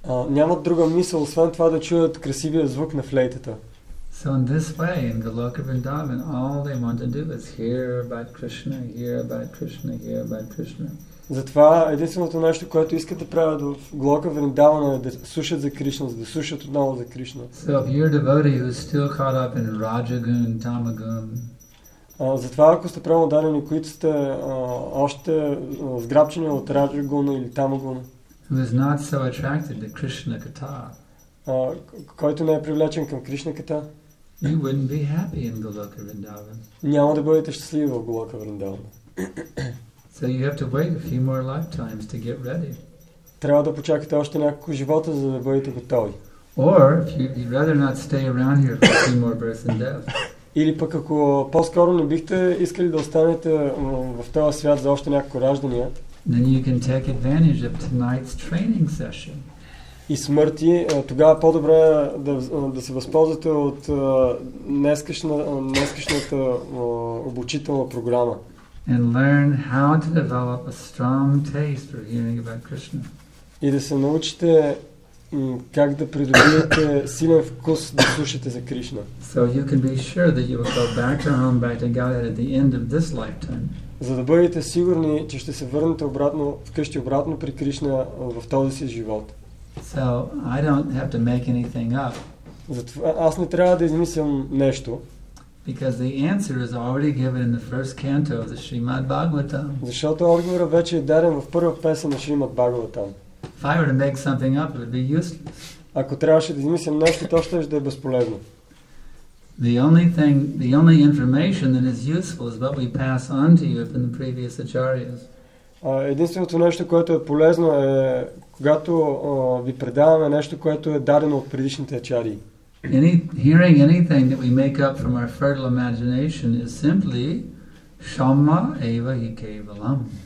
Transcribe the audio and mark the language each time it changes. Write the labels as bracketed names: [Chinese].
[Bulgarian] Нямат друга мисъл, освен това да чуят красивия звук на флейтата. [English] So in this way, in Goloka Vrindavan, all they want to do is hear about Krishna, hear about Krishna, hear about Krishna. [Bulgarian] Затова единственото нещо, което искате да правят в Голока Вриндавана е да слушат за Кришна, да слушат отново за Кришна. [English] So if you're a devotee who's still caught up in Rajagun, Tamagun. [Bulgarian] Затова ако сте правилно дадени, които сте още сграбчени от Раджагуна или Тамагуна. [English] Who is not so attracted to Krishna Kata. [Bulgarian] Който не е привлечен към Кришна Ката. [English] You wouldn't be happy in Goloka Vrindavan. [Bulgarian] Няма да бъдете щастливи в Голока Вриндавана. [English] So you have to wait a few more lifetimes to get ready. [Bulgarian] Трябва да почакате още няколко живота, за да бъдете готови. [English] Or if you'd rather not stay around here for a few more births and deaths. [Bulgarian] Или пък ако по-скоро не бихте искали да останете в този свят за още няколко раждания. [English] Then you can take advantage of tonight's training session. [Bulgarian] И смърти, тогава по-добре е да се възползвате от днескашната обучителна програма. [English] And learn how to develop a strong taste for hearing about Krishna. [Bulgarian] И да се научите как да придобиете силен вкус да слушате за Кришна. [English] So you can be sure that you will go back to home back to Godhead at the end of this lifetime. [Bulgarian] За да бъдете сигурни, че ще се върнете обратно вкъщи обратно при Кришна в този си живот. [English] So I don't have to make anything up. [Bulgarian] Затова аз не трябва да измислям нещо. [English] Because the answer is already given in the first canto of the Srimad Bhagavatam. [Bulgarian] Защото отговорът вече е даден в първа песен на Шримад Бхагаватам. [English] If I were to make something up, it would be useless. [Bulgarian] Ако трябваше да измислим нещо, то ще е безполезно. [English] The only thing, the only information that is useful is what we pass on to you from the previous acharyas. [Bulgarian] Единственото нещо, което е полезно, е когато ви предаваме нещо, което е дадено от предишните ачари. [English] Any hearing anything that we make up from our fertile imagination is simply [Sanskrit] shamma eva hi kevalam.